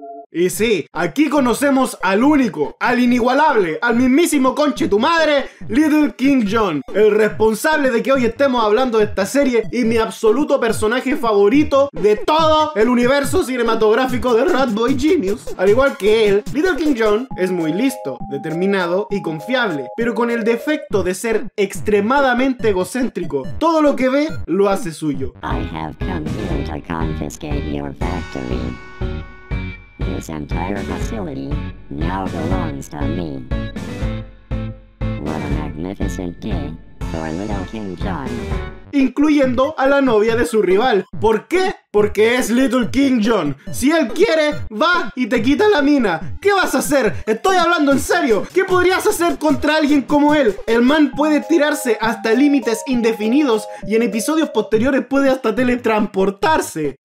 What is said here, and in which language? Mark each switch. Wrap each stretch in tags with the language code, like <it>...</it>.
<es>Y sí, aquí conocemos al único, al inigualable, al mismísimo conche tu madre, Little King John, el responsable de que hoy estemos hablando de esta serie y mi absoluto personaje favorito de todo el universo cinematográfico de Radboy Genius. Al igual que él, Little King John es muy listo, determinado y confiable, pero con el defecto de ser extremadamente egocéntrico. Todo lo que ve, lo hace suyo.</es> <en>I have come here to confiscate your factory. This entire facility now belongs to me. What a magnificent day for Little King John.</en> <es>Incluyendo a la novia de su rival. ¿Por qué? Porque es Little King John. Si él quiere, va y te quita la mina. ¿Qué vas a hacer? Estoy hablando en serio. ¿Qué podrías hacer contra alguien como él? El man puede tirarse hasta límites indefinidos y en episodios posteriores puede hasta teletransportarse.</es>